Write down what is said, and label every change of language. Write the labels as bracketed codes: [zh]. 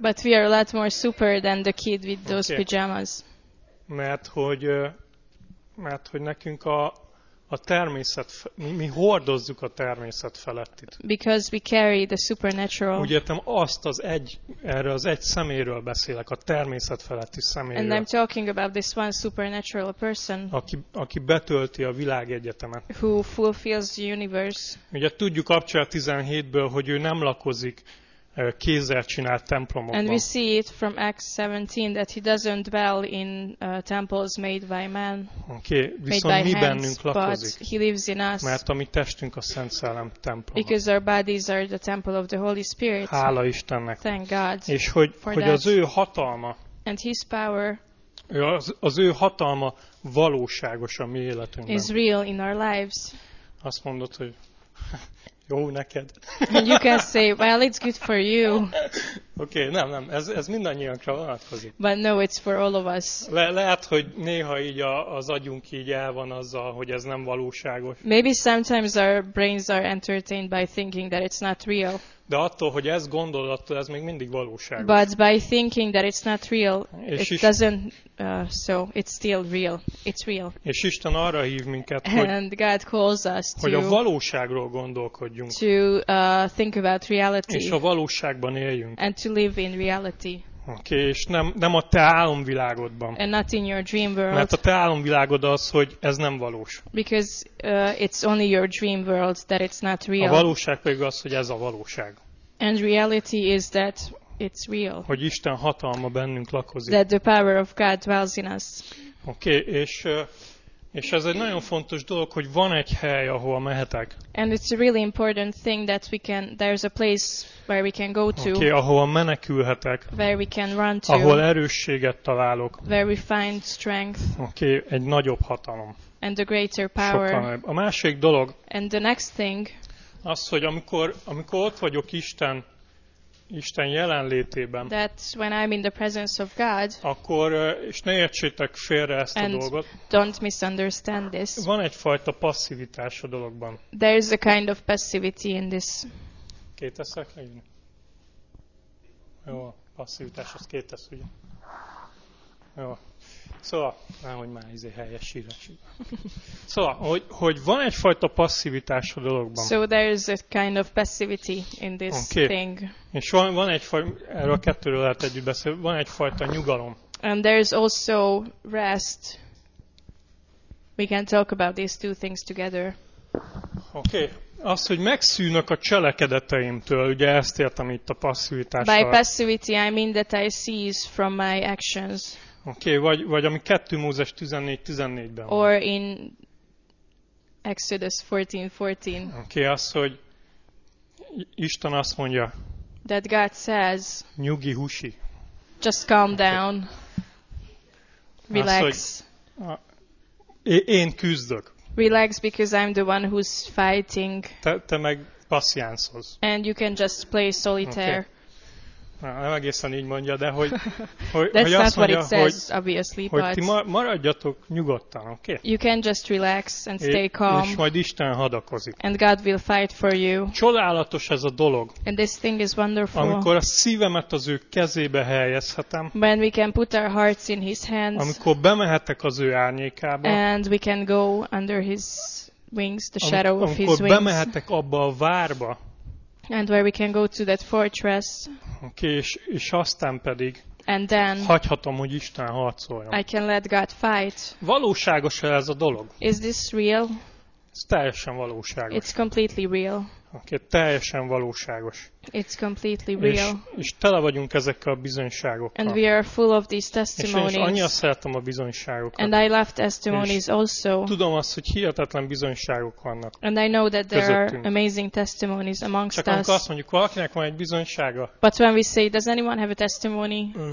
[en] But we are a lot more super than the kid with those okay. pajamas. [hu] Mert hogy nekünk a természet, mi hordozzuk a természet felettit. [en] Because we carry the supernatural. [hu] Úgy értem, azt az egy, erre az egy szeméről beszélek, a természet feletti szeméről. [en] And I'm talking about this one supernatural person. [hu] Aki betölti a világegyetemet. [en] Who fulfills the universe. [hu] Ugye tudjuk Apcsolya 17-ből, hogy ő nem lakozik kézzel csinált templomokban. [en] And we see it from Acts 17 that he doesn't dwell in temples made by man. [hu] Okay, viszont mi bennünk lakozik. [en] He lives in us. [hu] Mert a mi testünk a Szent Szellem temploma. [en] Because our bodies are the temple of the Holy Spirit. [hu] Hála Istennek. [en] Thank God. [hu] És hogy az ő hatalma. [en] And his power. [hu] Az ő hatalma valóságos a mi életünkben. [en] Is real in our lives. [hu] Azt mondod, hogy jó neked. [en] And you can say, well, it's good for you. [hu] Okay, nem, ez mindannyiunkra vonatkozik. [en] But no, it's for all of us. [hu] Lehet, hogy néha így az agyunk így el van azzal, hogy ez nem valóságos. [en] Maybe sometimes our brains are entertained by thinking that it's not real. [hu] De attól, hogy ezt gondolod, attól ez még mindig valóságos. [en] But by thinking that it's not real, it's still real. It's real. [hu] És Isten arra hív minket, [en] and God calls us [hu] hogy a valóságról gondolkodjunk. [en] To think about reality. [hu] És a valóságban éljünk. [en] And to live in reality. [hu] Okay, és nem a te álomvilágodban. [en] And not in your dream world. [hu] Mert a te álomvilágod az, hogy ez nem valós. [en] Because it's only your dream world that it's not real. [hu] A valóság pedig az, hogy ez a valóság. [en] And reality is that it's real. [hu] Hogy Isten hatalma bennünk lakozik. [en] That the power of God dwells in us. [hu] Okay, és ez egy nagyon fontos dolog, hogy van egy hely, ahova mehetek. [en] And it's a really important thing that we can, there's a place where we can go to. [hu] Okay, ahova menekülhetek. [en] Where we can run to. [hu] Ahol erősséget találok. [en] Where we find strength. [hu] Okay, egy nagyobb hatalom. [en] And a greater power. [hu] Sokkal nagyobb. A másik dolog. [en] And the next thing. [hu] Az, hogy amikor ott vagyok Isten jelenlétében. [en] That's when I'm in the presence of God. [hu] Akkor, és ne értsétek félre ezt a dolgot. [en] And don't misunderstand this. [hu] Van egyfajta passzivitás a dologban. [en] There is a kind of passivity in this. [hu] Két eszek legyen? Jó, passzivitás, az két esz, ugye? Jó. Szóval, nehogy már ezért helyes sírás. Szóval, hogy van egyfajta passzivitás a dologban. [en] So there is a kind of passivity in this okay. thing. [hu] És van egyfajta, erről a kettőről lehet együtt beszélni, van egyfajta nyugalom. [en] And there is also rest. We can talk about these two things together. Okay. [hu] Az, hogy megszűnök a cselekedeteimtől, ugye ezt értem itt a passzivitással. [en] By passivity I mean that I cease from my actions. [hu] Okay, vagy ami 2 Mózes 14:14-ben. [en] Or in Exodus 14:14. [hu] Okay, az, hogy Isten azt mondja. [en] That God says. [hu] Nyugi, husi. [en] Just calm okay. down. Relax. [hu] Én küzdök. [en] Relax because I'm the one who's fighting. [hu] Te meg passziánszoz. [en] And you can just play solitaire. Okay. [hu] Nem egészen így mondja, de hogy azt mondja, [en] what it says, obviously, [hu] hogy ti maradjatok nyugodtan, oké? [en] Okay? You can just relax and stay calm. [hu] És majd Isten hadakozik. [en] And God will fight for you. [hu] Csodálatos ez a dolog. [en] And this thing is wonderful. [hu] Amikor a szívemet az ő kezébe helyezhetem. [en] When we can put our hearts in his hands. [hu] Amikor bemehetek az ő árnyékába. [en] And we can go under his wings, the shadow of his wings. [hu] Bemehetek abba a várba. [en] And where we can go to that fortress. [hu] Okay, és aztán pedig. [en] And then. [hu] Hagyhatom, hogy Isten harcoljon. [en] I can let God fight. [hu] Valóságos ez a dolog? [en] Is this real? [hu] Ez teljesen valóságos. [en] It's completely real. [hu] Okay, teljesen valóságos. [en] It's completely real. [hu] És tele vagyunk ezekkel a bizonyságokkal. [en] And we are full of these testimonies. [hu] És annyira szeretem a bizonyságokat. [en] And I love testimonies also. [hu] Tudom azt, hogy hihetetlen bizonyságok vannak. [en] And I know that there are amazing testimonies amongst us. [hu] Csak amikor azt mondjuk, valakinek van egy bizonysága. [en] But when we say, does anyone have a testimony?